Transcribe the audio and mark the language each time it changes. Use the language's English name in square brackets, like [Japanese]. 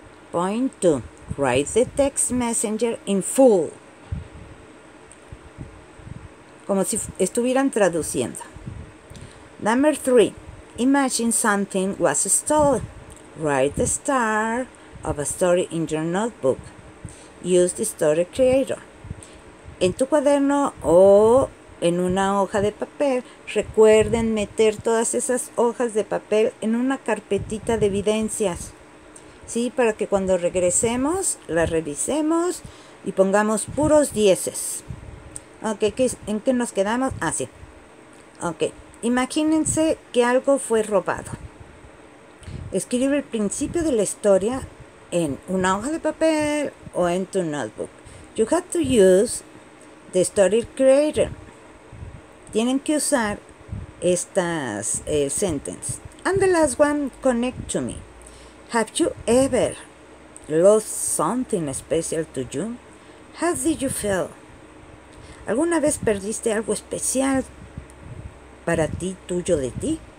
[English] Point 2. Write the text messenger in full. [Spanish] Como si estuvieran traduciendo. [English] Number 3. Imagine something was stolen. Write the start of a story in your notebook. Use the story creator. [Spanish] En tu cuaderno o en una hoja de papel, recuerden meter todas esas hojas de papel en una carpetita de evidencias. Sí, para que cuando regresemos, la revisemos y pongamos puros dieces. Ok, ¿en qué nos quedamos? Ah, sí. Ok, imagínense que algo fue robado. Escribe el principio de la historia en una hoja de papel o en tu notebook. [English] You have to use the story creator. [Spanish] Tienen que usar estas sentences. [English] And the last one, connect to me. Have you ever lost something special to you? How did you feel? [Spanish] ¿Alguna vez perdiste algo especial para ti, tuyo de ti?